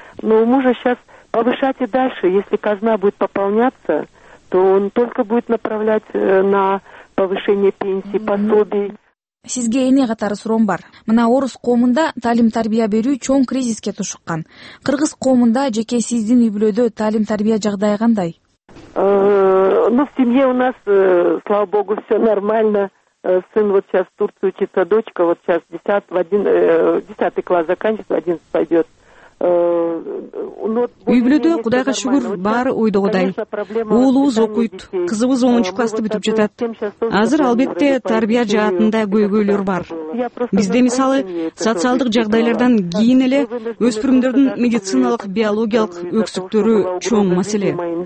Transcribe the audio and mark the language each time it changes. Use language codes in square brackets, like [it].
[ru] Но у мужа сейчас повышать и дальше, если казна будет пополняться, то он только будет направлять на повышение пенсии, пособий. [ky] Сизге эне катары суроом бар. Мына орус коомунда таалим тарбия берүү чоң кризиске тушуккан. Кыргыз коомунда жеке сиздин үй бүлөдө таалим тарбия жагдайы кандай? [ru] В семье у нас, слава богу, все нормально. Сын вот сейчас в Турции учится, дочка вот сейчас 10-й класс заканчивается, 11 пойдет. [ky] Үй бүлөдө кудайга шүгүр баары ойдогудай. Уулубуз окуйт, кызыбыз 10-класты бүтүп жатат. Азыр албетте тарбия жаатында көйгөйлөр бар. Бизде мисалы социалдык жагдайлардан кийин эле өспүрүмдөрдүн медициналык биологиялык өксүктөрү чоң маселе.